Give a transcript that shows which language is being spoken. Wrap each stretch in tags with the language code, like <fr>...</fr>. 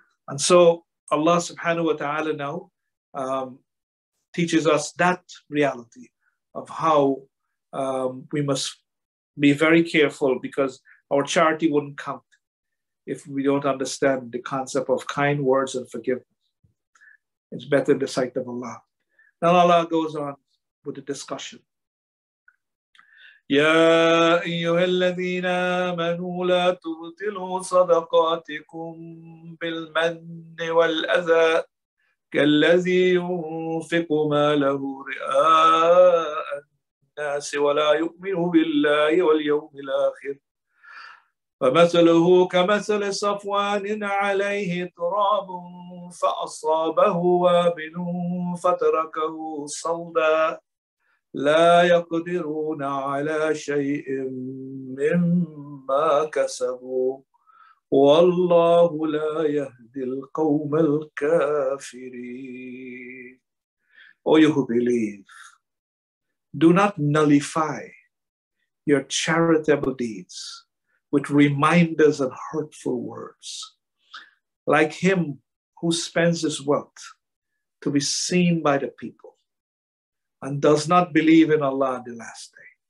<en>And so Allah subhanahu wa ta'ala now teaches us that reality of how we must be very careful, because our charity wouldn't count if we don't understand the concept of kind words and forgiveness. It's better in the sight of Allah. Now Allah goes on with the discussion.</en> <ar>يَا أَيُّهَا الَّذِينَ آمَنُوا لَا تُبْطِلُوا صَدَقَاتِكُمْ بِالْمَنِّ وَالْأَذَى كَالَّذِي يُنْفِقُ مَالَهُ رِئَاءَ النَّاسِ وَلَا يُؤْمِنُ بِاللَّهِ وَالْيَوْمِ الْآخِرِ فمثله كمثل صفوان عليه تراب فأصابه وابل فتركه صلدا لا يقدرون على شيء مما كسبوا والله لا يهدي القوم الكافرين.</ar> <en>O you who believe, do not nullify your charitable deeds with reminders and hurtful words, like him who spends his wealth to be seen by the people and does not believe in Allah on the last day.</en>